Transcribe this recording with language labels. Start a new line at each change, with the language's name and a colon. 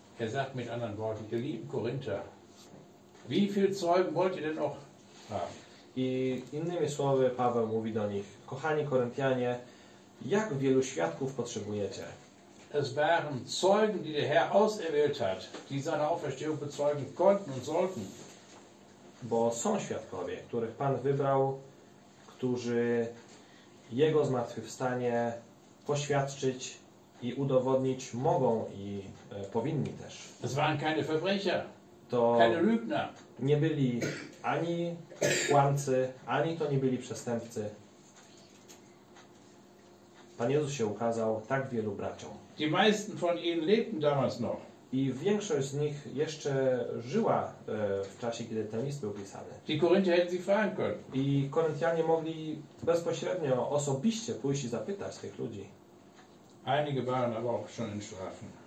German: Er sagt mit anderen Worten, ihr lieben Korinther, wie viel Zeugen wollt ihr denn noch haben?
Polish: I innymi słowy Paweł mówi do nich, kochani Koryntianie, jak wielu świadków potrzebujecie?
German: Es waren Zeugen, die der Herr auserwählt hat, die seine Auferstehung bezeugen konnten und sollten.
Polish: Bo są świadkowie, których Pan wybrał, którzy Jego zmartwychwstanie poświadczyć i udowodnić mogą i powinni też.
German: Es waren keine Verbrecher,
Polish: to
German: keine Lügner.
Polish: Nie byli ani kłamcy, ani to nie byli przestępcy. Pan Jezus się ukazał tak wielu braciom.
German: Die meisten von ihnen lebten damals noch.
Polish: I większość z nich jeszcze żyła w czasie, kiedy ten list był pisany.
German: Die Korinther hätten sie fragen können.
Polish: I Koryntianie mogli bezpośrednio, osobiście pójść i zapytać tych ludzi.
German: Einige waren aber auch schon in Strafen.